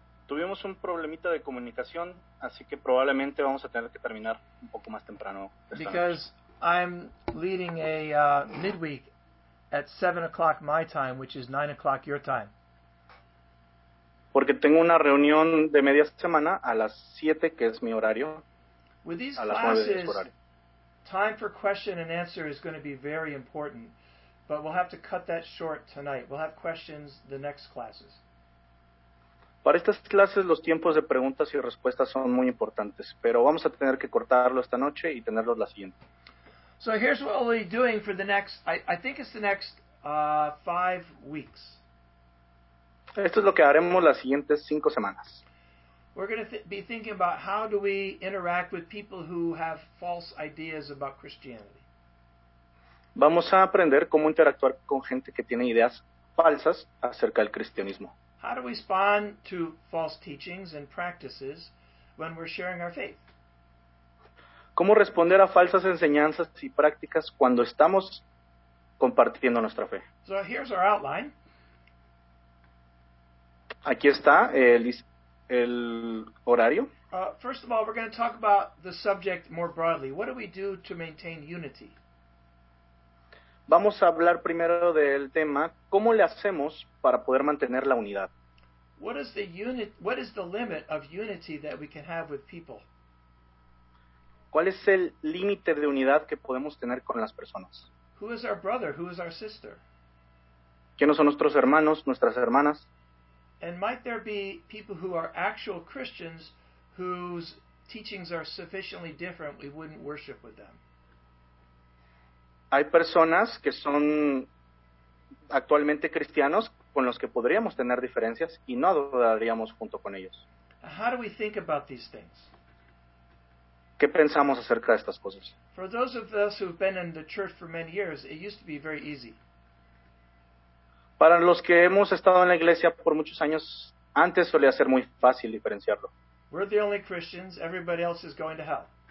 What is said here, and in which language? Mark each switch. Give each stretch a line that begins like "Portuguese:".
Spanish: Tuvimos un problemita de comunicación, así que probablemente vamos a tener que terminar un poco más temprano.
English: Because I'm leading a midweek at 7 o'clock my time, which is 9 o'clock your time.
Spanish: Porque tengo una reunión de media semana a las 7, que es mi horario.
English: With these classes, time for question and answer is going to be very important, but we'll have to cut that short tonight. We'll have questions the next classes.
Spanish: Para estas clases, los tiempos de preguntas y respuestas son muy importantes, pero vamos a tener que cortarlo esta noche y tenerlos la siguiente.
English: So here's what we'll be doing for the next, I think it's the next 5 weeks.
Spanish: Esto es lo que haremos las siguientes 5 semanas.
English: We're going to be thinking about how do we interact with people who have false ideas about Christianity.
Spanish: Vamos a aprender cómo interactuar con gente que tiene ideas falsas acerca del cristianismo.
English: How do we respond to false teachings and practices when we're sharing our faith?
Spanish: ¿Cómo responder a falsas enseñanzas y prácticas cuando estamos compartiendo nuestra fe?
English: So here's our outline.
Spanish: Aquí está el horario.
English: First of all, we're going to talk about the subject more broadly. What do we do to maintain unity?
Spanish: Vamos a hablar primero del tema, ¿cómo le hacemos para poder mantener la unidad?
English: What is the limit of unity that we can have with people?
Spanish: ¿Cuál es el límite de unidad que podemos tener con las personas?
English: Who is our brother? Who is our sister?
Spanish: ¿Quiénes son nuestros hermanos, nuestras hermanas?
English: And might there be people who are actual Christians whose teachings are sufficiently different we wouldn't worship with them?
Spanish: Hay personas que son actualmente cristianos con los que podríamos tener diferencias y no adoraríamos junto con ellos.
English: How do we think about these things?
Spanish: ¿Qué pensamos acerca de estas cosas?
English: For those of us who have been in the church for many years, it used to be very easy.
Spanish: Para los que hemos estado en la iglesia por muchos años, antes solía ser muy fácil diferenciarlo.
English: We're the only Christians, everybody else is going to hell.